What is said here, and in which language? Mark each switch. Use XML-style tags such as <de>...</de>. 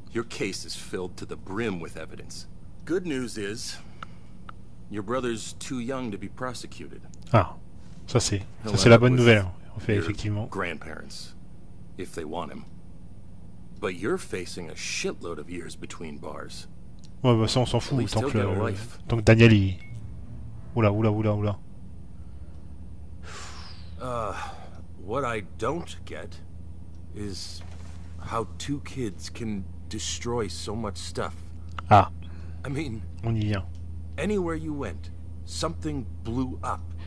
<en>Your case is filled to the brim with evidence. Good news is, your brother's too young to be prosecuted.</en> <fr>Ah, ça c'est la bonne nouvelle. En fait, effectivement.</fr> <en>Grandparents, if they want him. But you're facing a shitload of years between bars.</en> <fr>Ouais, bah ça on s'en fout tant que Daniel. Oula.</fr> <en>What I don't get is how two kids can destroy so much stuff. Ah. I mean,</en> <fr>on y vient.</fr> <en>Anywhere you went, something blew up.</en>